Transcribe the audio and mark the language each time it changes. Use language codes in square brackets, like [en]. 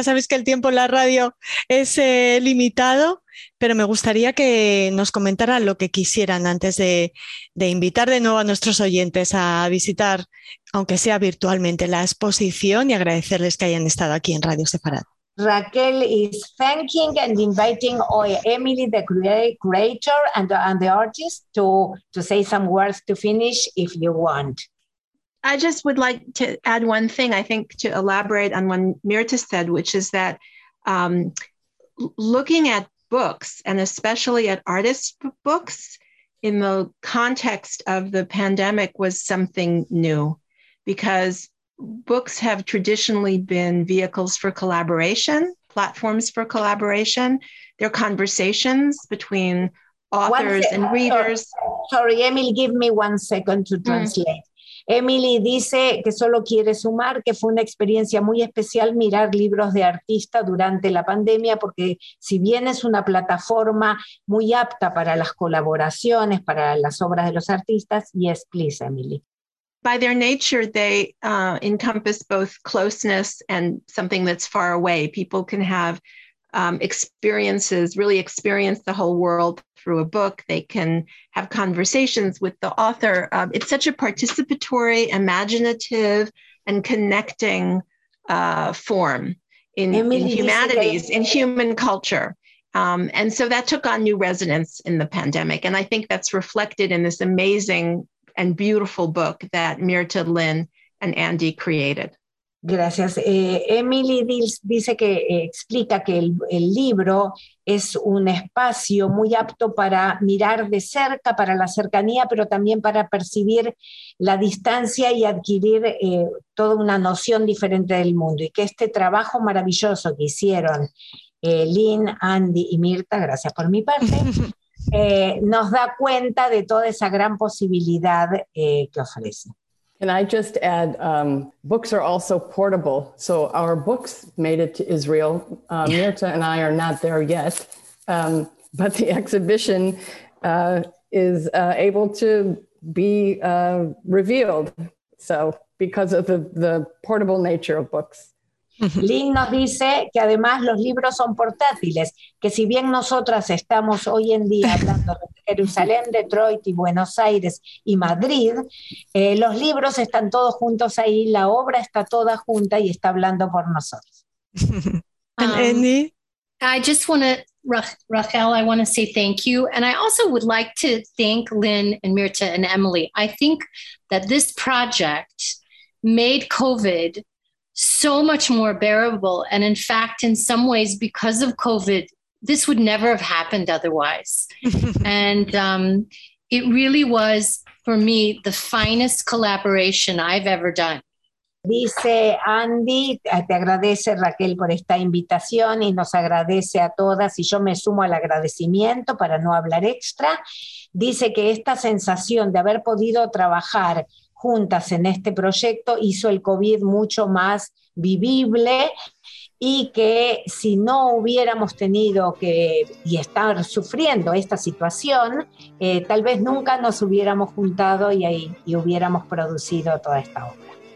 [es] Ya sabéis que el tiempo en la radio es limitado, pero me gustaría que nos comentaran lo que quisieran antes de invitar de nuevo a nuestros oyentes a visitar, aunque sea virtualmente, la exposición y agradecerles que hayan estado aquí en Radio Sefarad. [en] Raquel is thanking and inviting Emily, the curator and the artist, to say some words to finish if you want. I just would like to add one thing, I think, to elaborate on what Mirta said, which is that looking at books and especially at artists' books in the context of the pandemic was something new, because books have traditionally been vehicles for collaboration, platforms for collaboration. They're conversations between authors and readers. Sorry, Emily, give me one second to translate. [es] Emily dice que solo quiere sumar que fue una experiencia muy especial mirar libros de artista durante la pandemia, porque si bien es una plataforma muy apta para las colaboraciones, para las obras de los artistas, [en] yes, please, Emily. By their nature, they encompass both closeness and something that's far away. People can have experiences, really experience the whole world through a book. They can have conversations with the author. It's such a participatory, imaginative, and connecting form in humanities, in human culture. And so that took on new resonance in the pandemic. And I think that's reflected in this amazing and beautiful book that Mirta, Lynn, and Andy created. [es] Gracias. Emily dice que explica que el libro es un espacio muy apto para mirar de cerca, para la cercanía, pero también para percibir la distancia y adquirir toda una noción diferente del mundo. Y que este trabajo maravilloso que hicieron Lynn, Andy y Mirta, gracias por mi parte, nos da cuenta de toda esa gran posibilidad que ofrece. [en] Can I just add, books are also portable. So our books made it to Israel. Mirta and I are not there yet, but the exhibition is able to be revealed. So because of the portable nature of books. [es] Lynn nos dice que además los libros son portátiles, que si bien nosotras estamos hoy en día hablando de Jerusalén, Detroit y Buenos Aires y Madrid, los libros están todos juntos ahí, la obra está toda junta y está hablando por nosotros. [en] And Andy? I just want to Rachel, I want to say thank you. And I also would like to thank Lynn and Mirta and Emily. I think that this project made COVID so much more bearable. And in fact, in some ways, because of COVID, this would never have happened otherwise. And it really was, for me, the finest collaboration I've ever done. [es] Dice Andy, te agradece Raquel por esta invitación y nos agradece a todas y yo me sumo al agradecimiento para no hablar extra. Dice que esta sensación de haber podido trabajar juntas en este proyecto hizo el COVID mucho más vivible y que si no hubiéramos tenido que y estar sufriendo esta situación, tal vez nunca nos hubiéramos juntado y hubiéramos producido toda esta obra.